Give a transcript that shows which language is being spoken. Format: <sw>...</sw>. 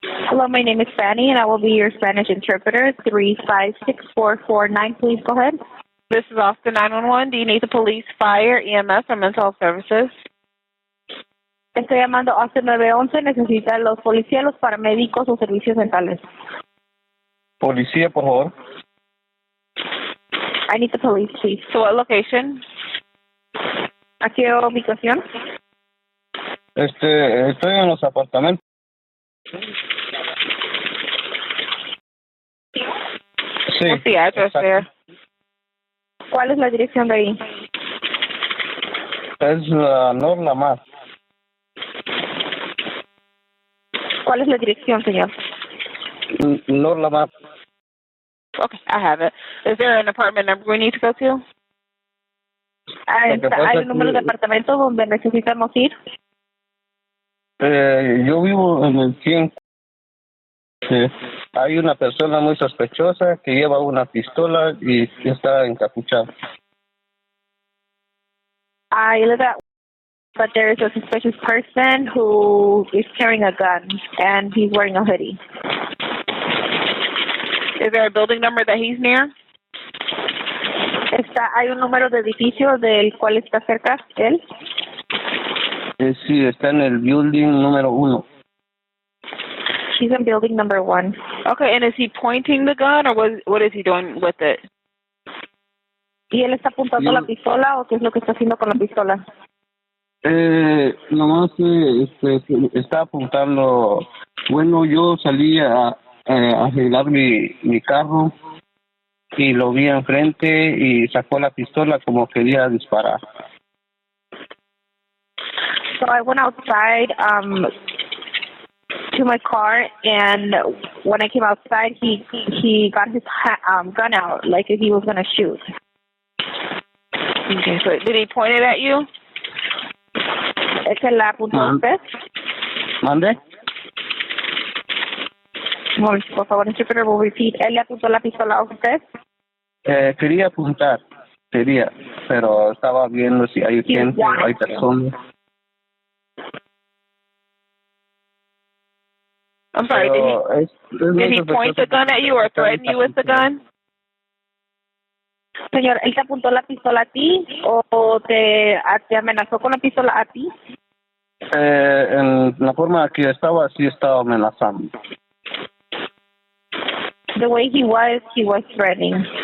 <en>Hello, my name is Fanny, and I will be your Spanish interpreter. 356449, please go ahead. This is Austin 911. Do you need the police, fire, EMS, or mental health services?</en> <es>Estoy llamando Austin 911. Necesita los policías, los paramédicos o servicios mentales. Policía, por favor.</es> <en>I need the police, please. So what location?</en> <es>¿A qué ubicación? Estoy en los apartamentos. Sí.</es> <en>What's the address exactly there?</en> <es>¿Cuál es la dirección de ahí? Es la Norla Más. ¿Cuál es la dirección, señor? Norla Más.</es> <en>Okay, I have it. Is there an apartment number we need to go to?</en> <es>¿Hay un número de apartamento donde necesitamos ir? Yo vivo en el 100. Hay una persona muy sospechosa que lleva una pistola y está encapuchado.</es> <en>I live at, but there is a suspicious person who is carrying a gun and he's wearing a hoodie. Is there a building number that he's near?</en> <es>Está, hay un número de edificio del cual está cerca, él. Sí, está en el building número uno.</es> <en>He's in building number one. Okay, and is he pointing the gun or what is he doing with it?</en> <es>¿Y él está apuntando la pistola o qué es lo que está haciendo con la pistola? Nomás está apuntando. Bueno, yo salí a arreglar mi carro y lo vi enfrente y sacó la pistola como quería disparar.</es> <en>So I went outside to my car, and when I came outside, he got his gun out like he was going to shoot. Okay, so did he point it at you?</en> <es>¿Es el apuntó usted? ¿Mande? Por favor,</es> <en>interpreter, will repeat.</en> <es>¿Él le apuntó la pistola a usted? Quería apuntar, quería, pero estaba viendo si hay gente, hay personas.</es> <en>I'm sorry, did he point the gun at you or threaten you with the gun?</en> <es>Señor, ¿él te apuntó la pistola a ti o te amenazó con la pistola a ti? En la forma que estaba, sí estaba amenazando.</es> <en>The way he was threatening.</en>